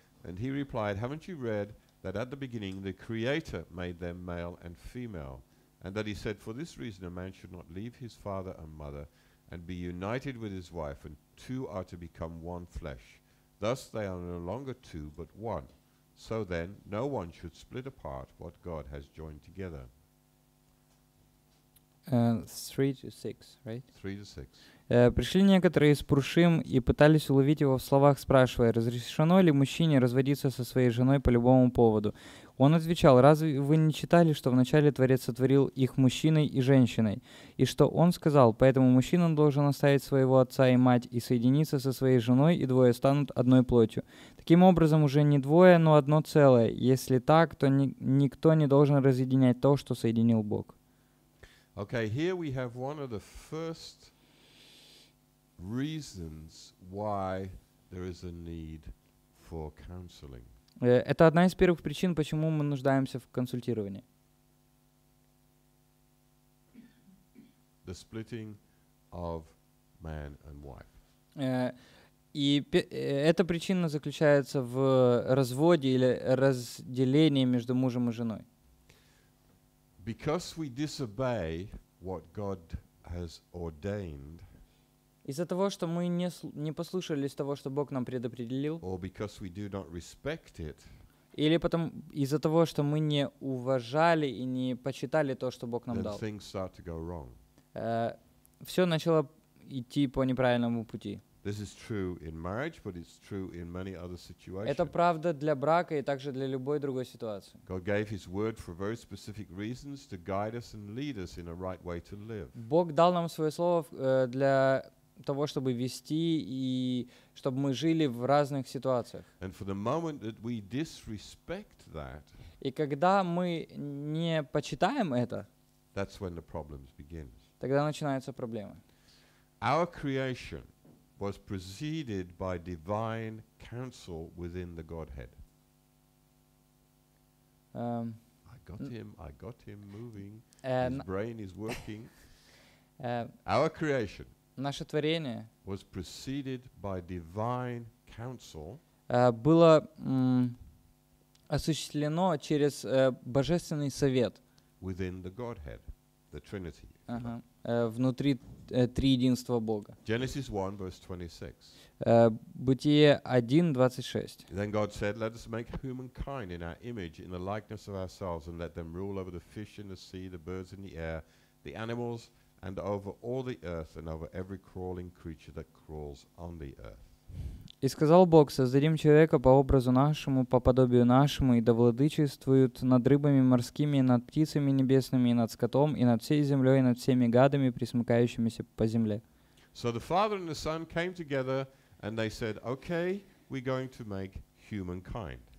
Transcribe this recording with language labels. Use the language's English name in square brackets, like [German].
[English] And he replied, "Haven't you read that at the beginning the Creator made them male and female, and that he said, 'For this reason a man should not leave his father and mother and be united with his wife, and two are to become one flesh. Thus they are no longer two, but one. So then no one should split apart what God has joined together.'" 3-6, right? 3-6. [Russian] Пришли некоторые из Пуршим и пытались уловить его в словах, спрашивая, разрешено ли мужчине разводиться со своей женой по любому поводу. Он отвечал, разве вы не читали, что вначале Творец сотворил их мужчиной и женщиной? И что он сказал, поэтому мужчина должен оставить своего отца и мать и соединиться со своей женой, и двое станут одной плотью. Таким образом, уже не двое, но одно целое. Если так, то никто не должен разъединять то, что соединил Бог. [English] Okay, here we have one of the first reasons why there is a need for counseling. [Russian] Это одна из первых причин, почему мы нуждаемся в консультировании. [English] The splitting of man and wife. [Russian] Эта причина заключается в разводе или разделении между мужем и женой. [English] Because we disobey what God has ordained. [Russian] Из-за того, что мы не послушались того, что Бог нам предопределил. [English] Or because we do not respect it. [Russian] Или потом из-за того, что мы не уважали и не почитали то, что Бог нам [English] then [Russian] дал. [English] Then things start to go wrong. [Russian] Все начало идти по неправильному пути. [English] This is true in marriage, but it's true in many other situations. [Russian] Это правда для брака и также для любой другой ситуации. [English] God gave His Word for very specific reasons to guide us and lead us in a right way to live. [Russian] Бог дал нам свое слово для того, чтобы вести и чтобы мы жили в разных ситуациях. [English] And for the moment that we disrespect that, [Russian] и когда мы не почитаем это, [English] that's when the problems begin. [Russian] Тогда начинаются проблемы. [English] Our creation. was preceded by divine counsel within the Godhead. I got him moving. His brain is working. Our creation. [Russian] Наше творение. [English] Was preceded by divine counsel. [Russian] Было осуществлено через божественный совет. [English] Within the Godhead, the Trinity. [Russian] Внутри триединства Бога. [English] Genesis 1, verse 26. [Russian] Бытие 1, 26. [English] Then God said, let us make humankind in our image, in the likeness of ourselves, and let them rule over the fish in the sea, the birds in the air, the animals, and over all the earth, and over every crawling creature that crawls on the earth. [Russian] И сказал Бог, создадим человека по образу нашему, по подобию нашему, и да владычествуют над рыбами морскими, над птицами небесными, и над скотом, и над всей землей, и над всеми гадами, пресмыкающимися по земле. [English] So the Father and the Son came together, and they said, okay, we're going to make humankind.